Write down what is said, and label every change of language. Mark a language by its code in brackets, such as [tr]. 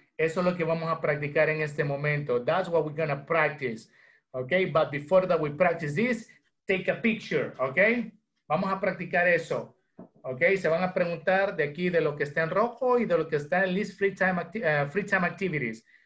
[es] Eso es lo que vamos a practicar en este momento. [en] That's what we're gonna practice. Okay, but before that we practice this, take a picture, okay? [es] Vamos a practicar eso. Okay, se van a preguntar de aquí de lo que está en rojo y de lo que está en [en] list free time activities.